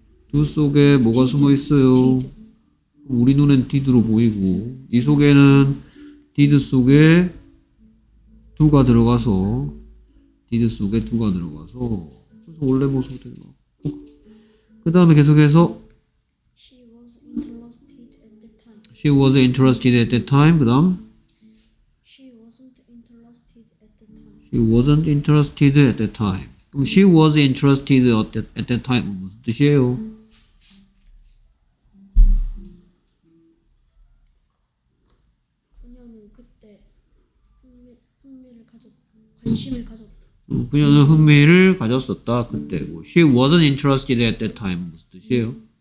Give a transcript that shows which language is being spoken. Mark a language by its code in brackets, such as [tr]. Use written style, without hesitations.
[ko] 두 속에 뭐가 숨어 있어요? 우리 눈엔 did로 보이고, 이 속에는 did 속에 두가 들어가서, did 속에 두가 들어가서, 그래서 원래 모습이 되나? 그 다음에 계속해서, [en] She was interested at the time. she was interested at that time, [ko] 그 다음, [en] She wasn't interested at that time. [ko] 그럼 [en] she was interested at that time [ko] 무슨 뜻이에요? 그녀는 그때 흥미를 가졌다. 관심을 가졌다. 그녀는 흥미를 가졌었다. 그때. [en] She wasn't interested at that time [ko] 무슨 뜻이에요?